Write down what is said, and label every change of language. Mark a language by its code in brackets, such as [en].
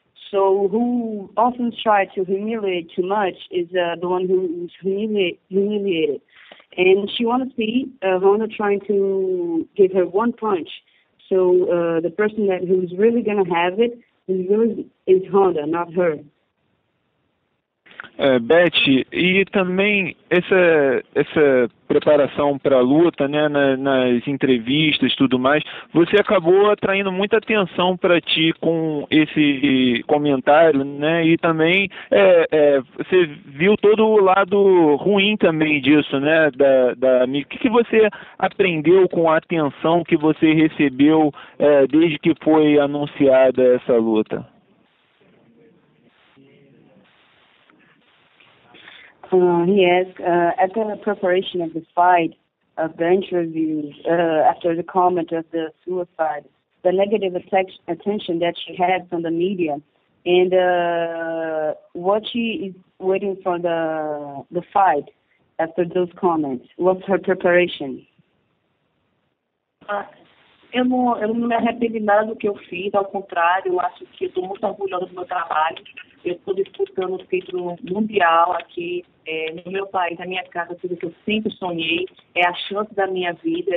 [en] So who often try to humiliate too much is the one who is humiliated. And she wants to see Ronda trying to give her one punch. So the person that who's really going to have it is Ronda, not her. [pt] Bethe, e também essa preparação para a luta, né, nas entrevistas e tudo mais, você acabou atraindo muita atenção para ti com esse comentário, né, e também você viu todo o lado ruim também disso, né, da amiga. O que você aprendeu com a atenção que você recebeu desde que foi anunciada essa luta? [en] He asked, at the preparation of the fight, of the interviews, after the comment of the suicide, the negative attention that she had from the media, and what she is waiting for the fight after those comments, what's her preparation? [pt] Eu não me arrependo de nada do que eu fiz, ao contrário, eu acho que estou muito orgulhosa do meu trabalho. Eu estou disputando o título mundial aqui no meu país, na minha casa, tudo que eu sempre sonhei, é a chance da minha vida.